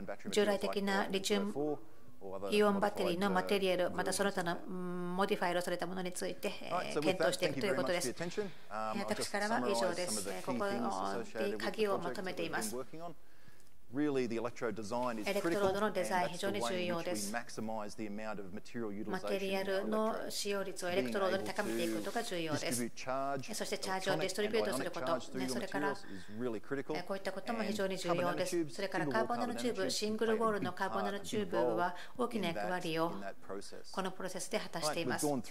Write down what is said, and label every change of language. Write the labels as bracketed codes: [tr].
[ja] 従来的なリチウムイオンバッテリーのマテリアル、またその他のモディファイルされたものについて検討していくということです。私からは以上です。ここで鍵をまとめています。 [en] Really, the electrode design is critical, and that's the way in which we maximize the amount of material utilization in the electrode. [ja] Electrode の使用率をエレクトロードに高めていくことが重要です。そしてチャージをディストリビュートすること、それからこういったことも非常に重要です。それからカーボンナノチューブ、シングルウォールのカーボンナノチューブは大きな役割をこのプロセスで果たしています。